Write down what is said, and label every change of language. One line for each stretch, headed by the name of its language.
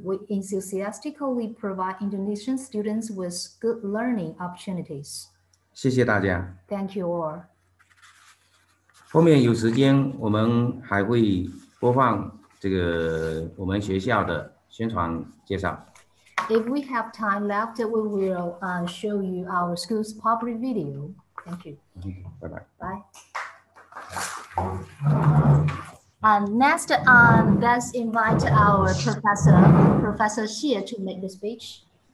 English: We enthusiastically provide Indonesian students with good learning opportunities.
Chinese: 谢谢大家。
English: Thank you all.
Chinese: 后面有时间我们还会播放这个我们学校的宣传介绍。
English: If we have time left, we will show you our school's public video. Thank you. Bye-bye. Bye. Next, let's invite our Professor Xie to make the speech.